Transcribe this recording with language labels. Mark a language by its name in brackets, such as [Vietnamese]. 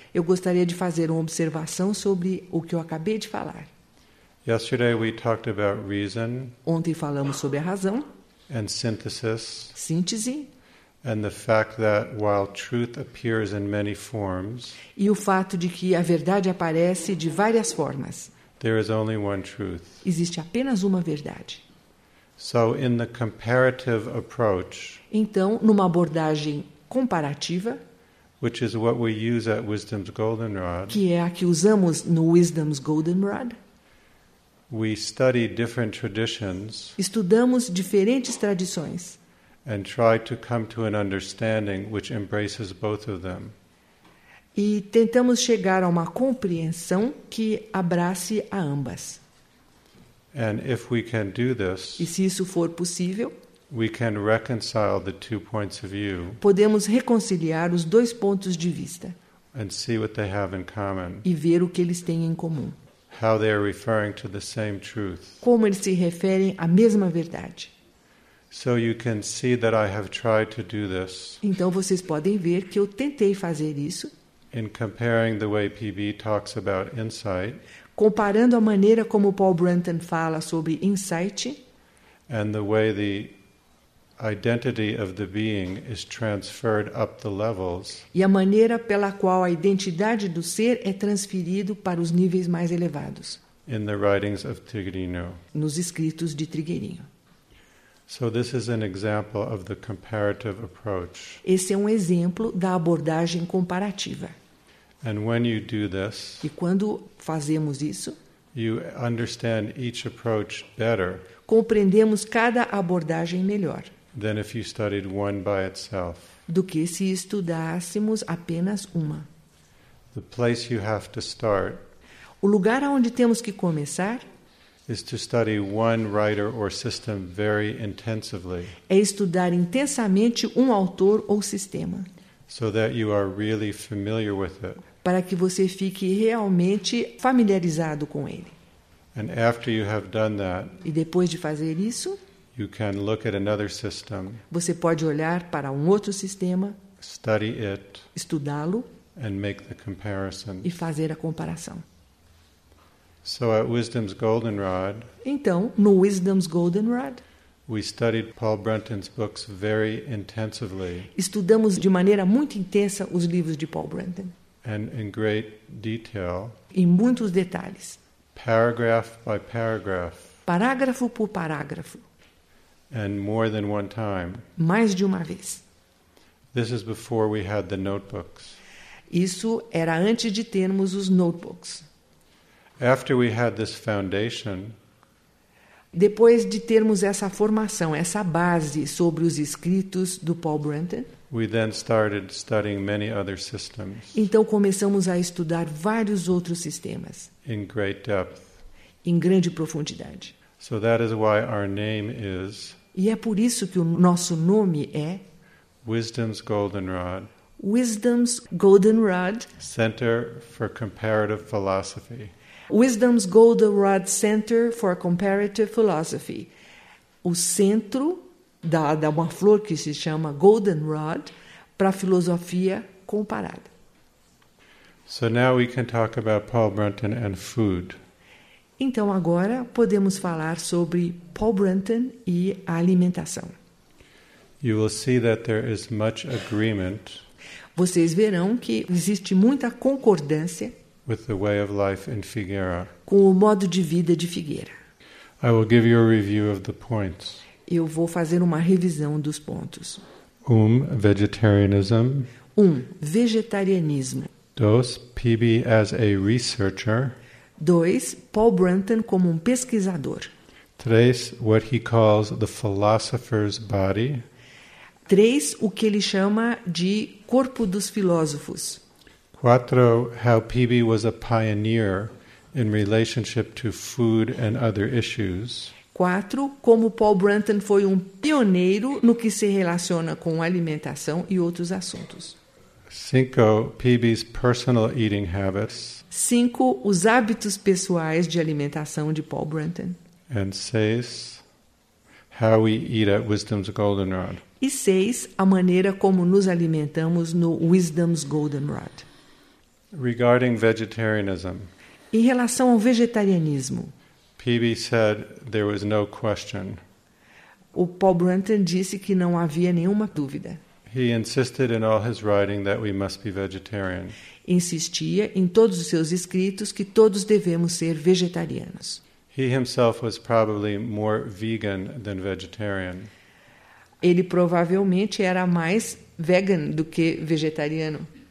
[Portuguese] Eu gostaria de fazer uma observação sobre o que eu acabei de falar. [English] Yesterday we talked about reason. [Portuguese] Ontem falamos sobre a razão. [English] And synthesis. [Portuguese] Síntese. [English] And the fact that while truth appears in many forms. [Portuguese] E o fato de que a verdade aparece de várias formas. [English] There is only one truth. [Portuguese] Existe apenas uma verdade. [English] So in the comparative approach. [Portuguese] Então, numa abordagem comparativa, [English] which is what we use at Wisdom's Goldenrod, [Portuguese] que é a que usamos no Wisdom's Goldenrod, [English] we study different traditions, [Portuguese] estudamos diferentes tradições, [English] and try to come to an understanding which embraces both of them. [Portuguese] E tentamos chegar a uma compreensão que abrace a ambas. [English] And if we can do this, [Portuguese] e se isso for possível, [English] we can reconcile the two points of view. [Portuguese] Podemos reconciliar os dois pontos de vista. [English] And see what they have in common. [Portuguese] E ver o que eles têm em comum. [English] How they are referring to the same truth. [Portuguese] Como eles se referem à mesma verdade. [English] So you can see that I have tried to do this. [Portuguese] Então vocês podem ver que eu tentei fazer isso. [English] In comparing the way PB talks about insight. [Portuguese] Comparando a maneira como Paul Brunton fala sobre insight. [English] And the way the identity of the being is transferred up the levels. [Portuguese] E a maneira pela qual a identidade do ser é transferido para os níveis mais elevados. [English] In the writings of Trigueirinho. [Portuguese] Nos escritos de Trigueirinho. [English] So this is an example of the comparative approach. [Portuguese] Esse é um exemplo da abordagem comparativa. [English] And when you do this, [Portuguese] e quando fazemos isso, [English] you understand each approach better. [Portuguese] Compreendemos cada abordagem melhor. [English] Than if you studied one by itself. [Portuguese] Do que se estudássemos apenas uma. [English] The place you have to start. [Portuguese] O lugar aonde temos que começar. [English] Is to study one writer or system very intensively. [Portuguese] É estudar intensamente um autor ou sistema. [English] So that you are really familiar with it. [Portuguese] Para que você fique realmente familiarizado com ele. [English] And after you have done that, [Portuguese] e depois de fazer isso, [English] you can look at another system, [Portuguese] você pode olhar para um outro sistema, [English] study it, [Portuguese] estudá-lo, [English] and make the comparison. [Portuguese] E fazer a comparação. [English] So at Wisdom's Goldenrod, [Portuguese] então, no Wisdom's Goldenrod, [English] we studied Paul Brunton's books very intensively, [Portuguese] estudamos de maneira muito intensa os livros de Paul Brunton. [English] And in great detail, [Portuguese] em muitos detalhes, [English] paragraph by paragraph, [Portuguese] parágrafo por parágrafo, [English] and more than one time, [Portuguese] mais de uma vez. [English] This is before we had the notebooks. [Portuguese] Isso era antes de termos os notebooks. [English] After we had this foundation, [Portuguese] depois de termos essa formação, essa base sobre os escritos do Paul Brunton, [English] we then started studying many other systems. [Portuguese] Então começamos a estudar vários outros sistemas. [English] In great depth. [Portuguese] Em grande profundidade. [English] So that is why our name is. [Portuguese] E é por isso que o nosso nome é [English] Wisdom's Goldenrod. [Portuguese] Wisdom's Goldenrod [English] Center for Comparative Philosophy. Wisdom's Goldenrod Center for Comparative Philosophy. [Portuguese] O centro dá uma flor que se chama Goldenrod para a filosofia comparada. [English] So now we can talk about Paul Brunton and food. [Portuguese] Então agora podemos falar sobre Paul Brunton e a alimentação. [English] You will see that there is much agreement. [Portuguese] Vocês verão que existe muita concordância [English] with the way of life in Figueira. [Portuguese] Com o modo de vida de Figueira. [English] I will give you a review of the points. [Portuguese] Eu vou fazer uma revisão dos pontos. [English] Vegetarianism. [Portuguese] Vegetarianismo. [English] 2. PB as a researcher. [Portuguese] 2. Paul Brunton como um pesquisador. [English] 3. What he calls the philosopher's body. [Portuguese] 3. O que ele chama de corpo dos filósofos. [English] 4. How PB was a pioneer in relationship to food and other issues. [Portuguese] 4. Como Paul Brunton foi um pioneiro no que se relaciona com alimentação e outros assuntos. [English] 5. PB's personal eating habits. [Portuguese] 5. Os hábitos pessoais de alimentação de Paul Brunton. [English] And 6. How we eat at Wisdom's Goldenrod. [Portuguese] E 6, a maneira como nos alimentamos no Wisdom's Goldenrod. [English] Regarding vegetarianism. [Portuguese] Em relação ao vegetarianismo. [English] PB said there was no question. [Portuguese] O Paul Brunton disse que não havia nenhuma dúvida. [English] He insisted in all his writing that we must be vegetarian. [Portuguese] Insistia em todos os seus escritos que todos devemos ser vegetarianos. [English] He himself was probably more vegan than vegetarian. [Portuguese] Ele provavelmente era mais vegan do que vegetariano.